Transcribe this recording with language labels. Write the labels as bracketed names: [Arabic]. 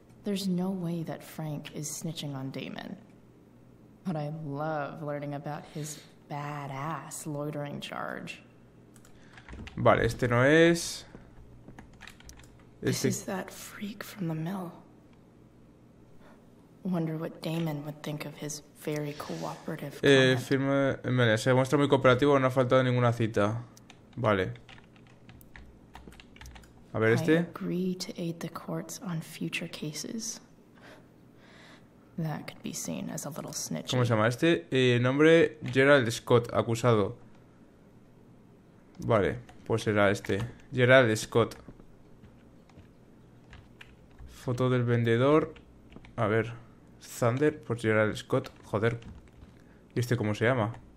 [English] There's no way that Frank is snitching on Damon. But I love learning about his badass loitering charge. [Spanish] Vale, este no es. Este. [English] This is that freak from the mill. Wonder what Damon would think of his very cooperative comment. [Spanish] Firme, vale, se muestra muy cooperativo, no ha faltado ninguna cita. Vale. A ver este. [English] I agree to aid the courts on future cases. That could be seen as a little snitch. [Spanish] ¿Cómo se llama este? Nombre Gerald Scott, acusado. Vale, pues será este. Gerald Scott. Foto del vendedor. A ver. Thunder, por Gerald Scott. Joder. ¿Y este cómo se llama?